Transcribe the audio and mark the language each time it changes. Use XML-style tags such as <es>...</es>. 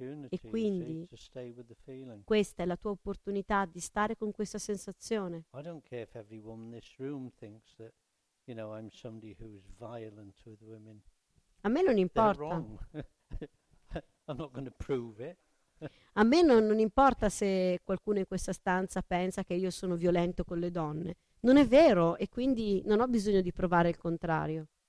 <it>E quindi questa è la tua opportunità di stare con questa sensazione.</it> <en>I don't care if everyone in this room thinks that, you know, I'm somebody who is violent with women.</en> <it>A me non importa.</it> <en>They're wrong. I'm not going to prove it.</en> <it>A me non importa se qualcuno in questa stanza pensa che io sono violento con le donne. Non è vero, e quindi non ho bisogno di provare il contrario.</it>